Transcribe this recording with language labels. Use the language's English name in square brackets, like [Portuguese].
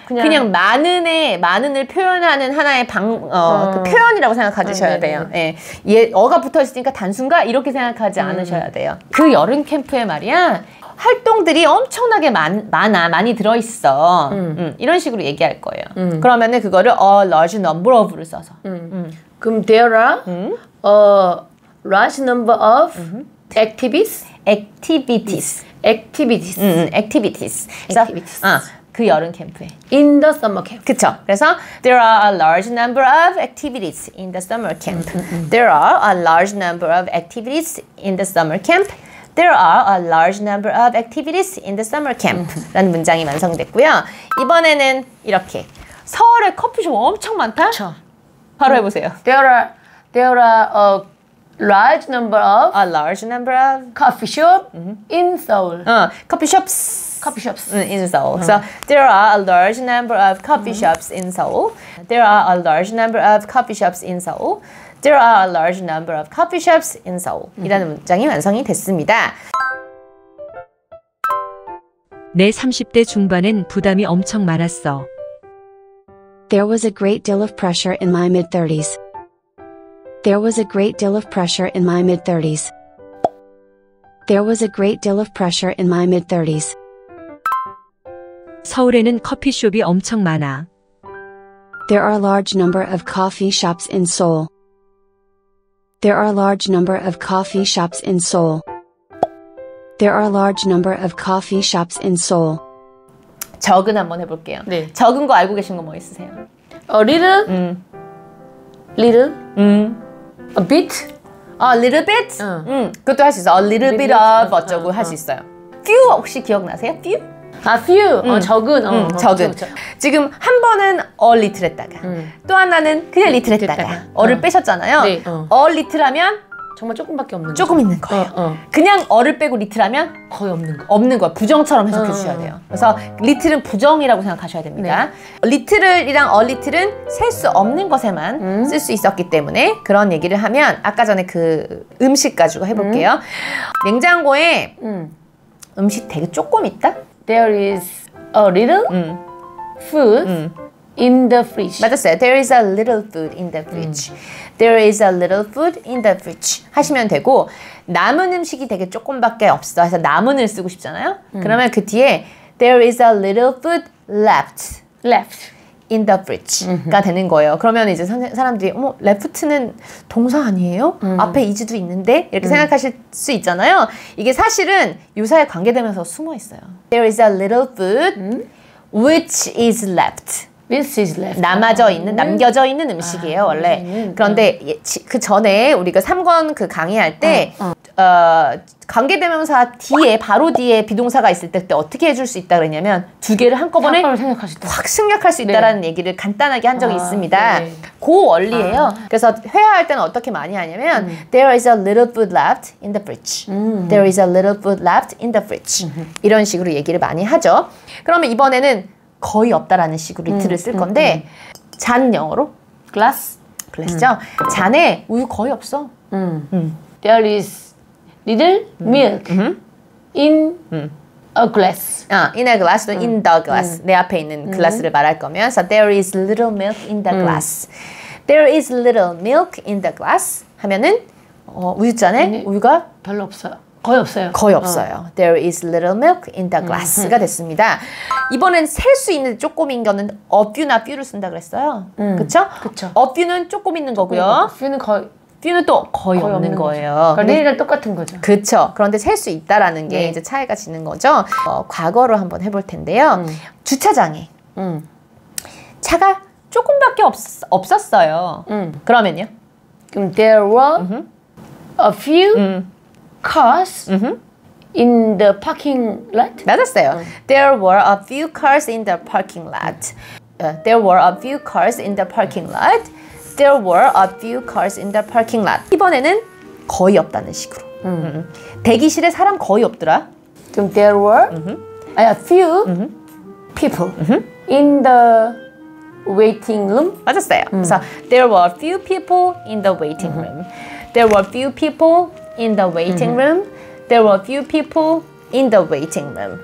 [Korean] 그냥, 그냥 많은의 많은을 표현하는 하나의 방 어, 그 표현이라고 생각하셔야 돼요. 예. 예, 어가 붙어 있으니까 단순가 이렇게 생각하지 않으셔야 돼요. 그 여름 캠프에 말이야 활동들이 엄청나게 많이 들어 있어. 이런 식으로 얘기할 거예요. 그러면은 그거를 a large number of로 써서. [English] 그럼 there are a large number of activities. Activities. Activities. Activities. Activities. [Korean] 그 여름 캠프에. [English] In the summer camp. [Korean] 그쵸. 그래서 [English] there are a large number of activities in the summer camp. There are a large number of activities in the summer camp. There are a large number of activities in the summer camp. [Korean] 라는 문장이 완성됐고요. 이번에는 이렇게. 서울에 커피숍 엄청 많다? 그쵸. 바로 해보세요. [English] There are large number of a large number of coffee shop in Seoul. 커피숍 in Seoul. So there are a large number of coffee shops in Seoul. There are a large number of coffee shops in Seoul. There are a large number of coffee shops in Seoul. [Korean] 이라는 문장이 완성이 됐습니다. 내 30대 중반엔 부담이 엄청 많았어. [English] There was a great deal of pressure in my mid-30s. There was a great deal of pressure in my mid-30s. There was a great deal of pressure in my mid-30s. [Korean] 서울에는 커피숍이 엄청 많아. [English] There are a large number of coffee shops in Seoul. There are a large number of coffee shops in Seoul. There are a large number of coffee shops in Seoul. [Korean] 적은 한번 해볼게요. 네. 적은 거 알고 계신 거 뭐 있으세요? [English] A little? Little? A bit? [Korean] A little bit? 그것도 할 수 있어요. A little bit of 어쩌고 할 수 있어요. Few 혹시 기억나세요? Few? 아, few. 적은. 적은. 지금 한 번은 a little 했다가 또 하나는 그냥 little 했다가 어를 빼셨잖아요. 네. A little 하면 정말 조금밖에 없는 조금 있는 거예요. 그냥 어를 빼고 리틀하면 거의 없는 거. 없는 거. 부정처럼 해석해 주셔야 돼요. 그래서 리틀은 부정이라고 생각하셔야 됩니다. 네. 리틀이랑 얼리틀은 셀 수 없는 것에만 쓸 수 있었기 때문에 그런 얘기를 하면 아까 전에 그 음식 가지고 해볼게요. 냉장고에 음식 되게 조금 있다? [English] There is a little food. In the fridge. [Korean] 맞았어요. [English] There is a little food in the fridge. There is a little food in the fridge. [Korean] 하시면 되고 남은 음식이 되게 조금밖에 없어. 그래서 남은을 쓰고 싶잖아요. 그러면 그 뒤에 [English] There is a little food left. Left. In the fridge. [Korean] 가 되는 거예요. 그러면 이제 사람들이 어머, left는 동사 아니에요? 앞에 is도 있는데? 이렇게 생각하실 수 있잖아요. 이게 사실은 유사에 관계되면서 숨어 있어요. [English] There is a little food which is left. This is left. [Korean] 남아져 있는, 남겨져 있는 음식이에요, 원래. 그런데 그 전에 우리가 3권 그 강의할 때 관계대명사 뒤에, 바로 뒤에 비동사가 있을 때 그때 어떻게 해줄 수 있다 그랬냐면 두 개를 한꺼번에 확 생략할 수 있다라는 네. 얘기를 간단하게 한 적이 있습니다. 네. 그 원리예요. 그래서 회화할 때는 어떻게 많이 하냐면 [English] There is a little food left in the fridge. There is a little food left in the fridge. [Korean] 이런 식으로 얘기를 많이 하죠. 그러면 이번에는 거의 없다라는 식으로 리틀을 쓸 건데 잔 영어로 [English] glass죠. [Korean] 잔에 우유 거의 없어. [English] There is little milk in a glass. In a glass, in the glass. [Korean] 내 앞에 있는 [English] glass [Korean] 를 말할 거면, [English] so there is little milk in the glass. There is little milk in the glass. [Korean] 하면은 우유잔에 우유가 별로 없어요. 거의 없어요. 거의 없어요. [English] There is little milk in the glass [Korean] 가 됐습니다. 이번엔 셀 수 있는 조금인 거는 a few나 few를 쓴다 그랬어요. 그렇죠? A few는 조금 있는 거고요. few는 또 거의 없는 거예요. 그러니까 내일은 똑같은 거죠. 그렇죠. 그런데 셀 수 있다라는 게 이제 차이가 지는 거죠. 과거로 한번 해볼 텐데요. 주차장에 차가 조금밖에 없었어요. 그러면요? [English] 그럼 there were a few cars in the parking lot? [Korean] 맞았어요. [English] There were a few cars in the parking lot. There were a few cars in the parking lot. There were a few cars in the parking lot. [Korean] 이번에는 거의 없다는 식으로. 대기실에 사람 거의 없더라. [English] There were a few people in the waiting room. [Korean] 맞았어요. [English] So there were a few people in the waiting room. There were a few people in the waiting room. There were few people in the waiting room.